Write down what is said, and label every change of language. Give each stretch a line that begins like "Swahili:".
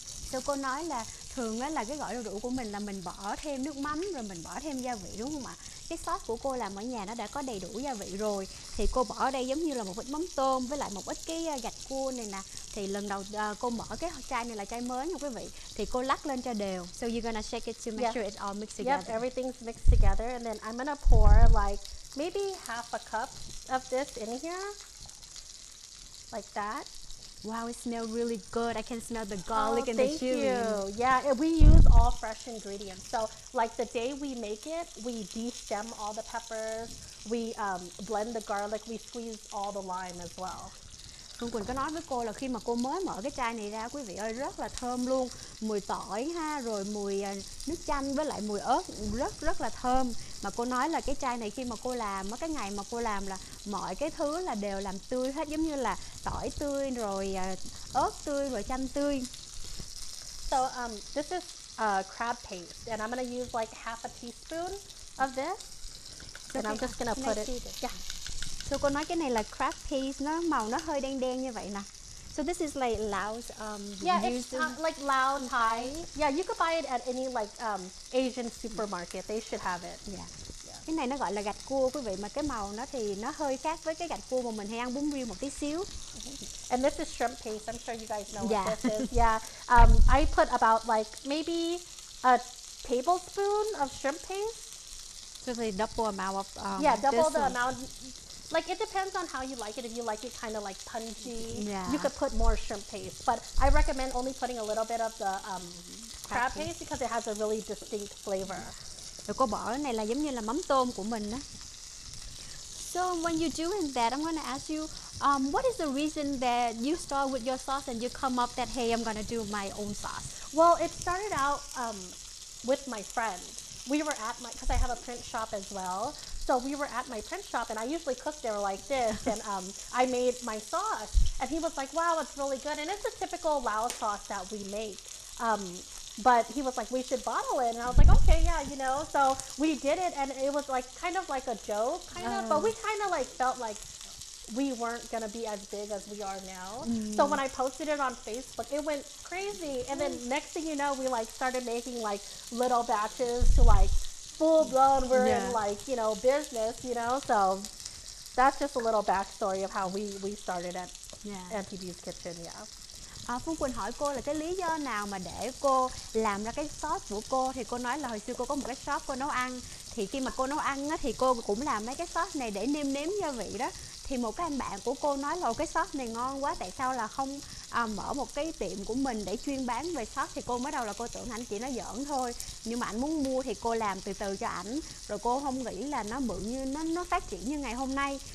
Vietnamese: So cô nói là thường là cái gỏi đu đủ của mình là mình bỏ thêm nước mắm rồi mình bỏ thêm gia vị đúng không ạ? Cái sauce của cô làm ở nhà nó đã có đầy đủ gia vị rồi. Thì cô bỏ ở đây giống như là một ít mắm tôm với lại một ít cái gạch cua này nè. Thì lần đầu cô mở cái chai này là chai mới nha quý vị. Thì cô lắc lên cho đều.
English: So you're gonna shake it to make sure it's all mixed together. Yep, everything's mixed together. And then I'm gonna pour like maybe half a cup of this in here. Like that. Wow, it smells really good. I can smell the garlic and the chili. Thank you. Yeah, we use all fresh ingredients. So, like the day we make it, we de-stem all the peppers. We blend the garlic. We squeeze all the lime as well.
Vietnamese: Phương Quỳnh có nói với cô là khi mà cô mới mở cái chai này ra, quý vị ơi, rất là thơm luôn. Mùi tỏi ha, rồi mùi nước chanh với lại mùi ớt rất rất là thơm. Mà cô nói là cái chai này khi mà cô làm, mấy cái ngày mà cô làm là mọi cái thứ là đều làm tươi hết. Giống như là tỏi tươi, rồi ớt tươi, rồi chanh tươi.
English: So this is crab paste and I'm gonna use like half a teaspoon of this. And okay, I'm just gonna put it.
Vietnamese: So cô nói cái này là crab paste, nó màu nó hơi đen đen như vậy nè.
English: So this is like Laos Like Lao Thai. Yeah, you could buy it at any like Asian supermarket. They should have it. Yeah.
Vietnamese: Cái này nó gọi là gạch cua quý vị, mà cái màu nó thì nó hơi khác với cái gạch cua mà mình hay ăn bún riêu một tí xíu.
English: And this is shrimp paste. I'm sure you guys know what this is. Yeah. I put about like maybe a tablespoon of shrimp paste. So the double amount of amount. Like it depends on how you like it. If you like it kind of like punchy, yeah, you could put more shrimp paste. But I recommend only putting a little bit of the crab paste because it has a really distinct flavor.
Vietnamese: Rồi cô bỏ cái này là giống như là mắm tôm của mình á.
English: So when you're doing that, I'm gonna ask you, what is the reason that you start with your sauce and you come up that hey, I'm gonna do my own sauce? Well, it started out with my friend. We were at my, because I have a print shop as well. So we were at my print shop and I usually cook there like this, and I made my sauce and he was like, wow, it's really good. And it's a typical Lao sauce that we make. But he was like, we should bottle it. And I was like, okay, yeah, you know. So we did it and it was like kind of like a joke kind of, but we kind of like felt like we weren't gonna be as big as we are now. So when I posted it on Facebook, it went crazy. And then next thing you know, we like started making like little batches to like full blown, we're in like, you know, business, you know. So that's just a little backstory of how we started at MPB's Kitchen.
Vietnamese: Phương Quỳnh hỏi cô là cái lý do nào mà để cô làm ra cái sauce của cô. Thì cô nói là hồi xưa cô có một cái shop cô nấu ăn. Thì khi mà cô nấu ăn á, thì cô cũng làm mấy cái sauce này để nêm nếm gia vị đó. Thì một cái anh bạn của cô nói là cái sauce này ngon quá, tại sao là không mở một cái tiệm của mình để chuyên bán về sót. Thì cô mới đầu là cô tưởng anh chỉ nói giỡn thôi, nhưng mà anh muốn mua thì cô làm từ từ cho ảnh, rồi cô không nghĩ là nó bự như nó phát triển như ngày hôm nay.